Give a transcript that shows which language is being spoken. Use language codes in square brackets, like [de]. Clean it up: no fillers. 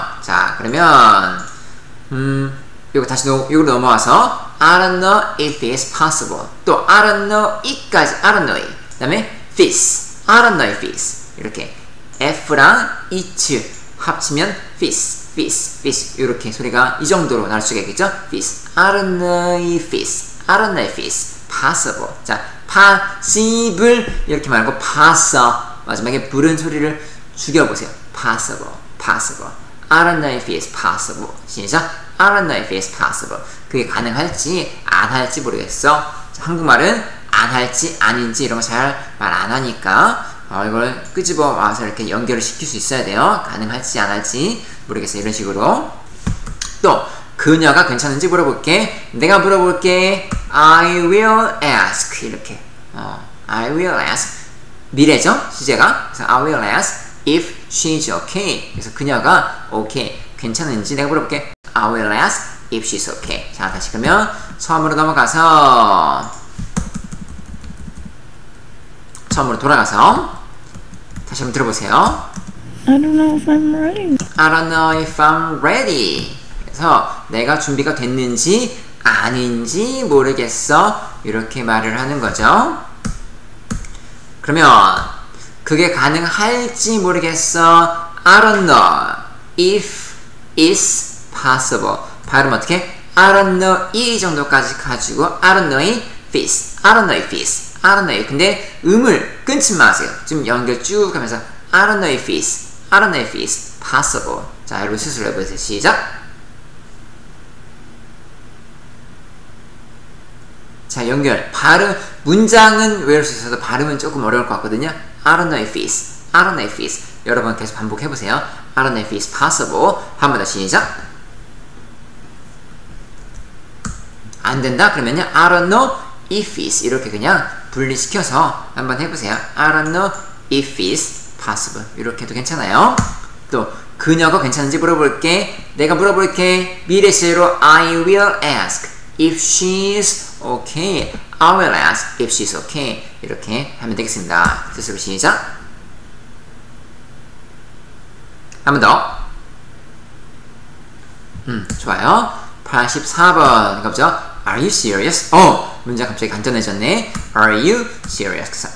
[ko] 자, 그러면 요거 다시 요거로 넘어와서 [en] I don't know if it's possible. 또 I don't know it까지 I don't know it. [ko] 그 다음에 [en] this. I don't know if this. [ko] 이렇게 F랑 it 합치면 this 이렇게 소리가 이 정도로 날 수 있겠죠? [en] this. I don't know if this. I don't know if this. possible. [ko] 자, possible 이렇게 말하고 possible. 마지막에 부른 소리를 죽여보세요. [en] possible. I don't know if this possible. [ko] 시작. [en] I don't know if this possible. [ko] 그게 가능할지 안 할지 모르겠어. 자, 한국말은 안 할지 아닌지 이런 거 잘 말 안 하니까 이걸 끄집어 와서 이렇게 연결을 시킬 수 있어야 돼요. 가능할지 안 할지 모르겠어요. 이런 식으로. 또 그녀가 괜찮은지 물어볼게. 내가 물어볼게. [en] I will ask. 이렇게 I will ask. [ko] 미래죠? 시제가. [en] 그래서 I will ask if she's okay. [ko] 그래서 그녀가 okay 괜찮은지 내가 물어볼게. [en] I will ask if she's okay. [ko] 자, 다시 그러면 처음으로 넘어가서 처음으로 돌아가서 다시 한번 들어보세요. [en] I don't know if I'm ready. [ko] 그래서 내가 준비가 됐는지 아닌지 모르겠어. 이렇게 말을 하는 거죠. 그러면 그게 가능할지 모르겠어. [en] I don't know if it's possible. [ko] 발음 어떻게? [en] I don't know it [ko] 정도까지 가지고 [en] I don't know if it's. I don't know if it's. I don't know. [ko] 근데 음을 끊지 마세요. 지금 연결 쭉 하면서 [en] I don't know if it's. I I don't know if it's possible. [ko] 자, 여러분 스스로 해보세요. 시작! 자, 연결. 발음, 문장은 외울 수 있어도 발음은 조금 어려울 것 같거든요. [en] I don't know if it's, I don't know if it's. [ko] 여러분 계속 반복해보세요. [en] I don't know if it's possible. [ko] 한 번 더 시작! 안 된다? 그러면요. [en] I don't know if it's. [ko] 이렇게 그냥 분리시켜서 한번 해보세요. [en] I don't know if it's possible. [ko] 이렇게 해도 괜찮아요. 또 그녀가 괜찮은지 물어볼게. 내가 물어볼게. 미래 시제로 [en] I will ask if she's okay. I will ask if she's okay. [ko] 이렇게 하면 되겠습니다. 스스로 시작. 한번 더. 좋아요. 84번 가보죠. [en] Are you serious? [ko] 어! 문제 갑자기 간단해졌네. [en] Are you serious?